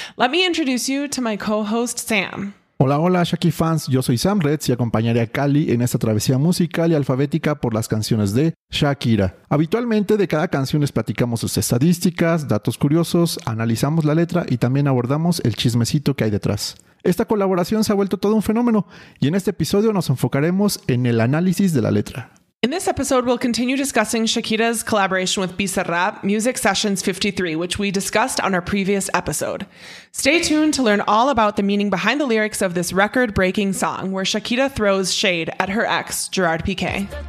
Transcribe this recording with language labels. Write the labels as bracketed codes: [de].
[en] Let me introduce you to my co-host Sam. [es] Hola, hola Shacky fans, yo soy Sam Reds y acompañaré a Callie en esta travesía musical y alfabética por las canciones de Shakira. Habitualmente de cada canción les platicamos sus estadísticas, datos curiosos, analizamos la letra y también abordamos el chismecito que hay detrás. Esta colaboración se ha vuelto todo un fenómeno y en este episodio nos enfocaremos en el análisis de la letra. [en] In this episode, we'll continue discussing Shakira's collaboration with Bizarrap, Music Sessions 53, which we discussed on our previous episode. Stay tuned to learn all about the meaning behind the lyrics of this record-breaking song, where Shakira throws shade at her ex, Gerard Piqué.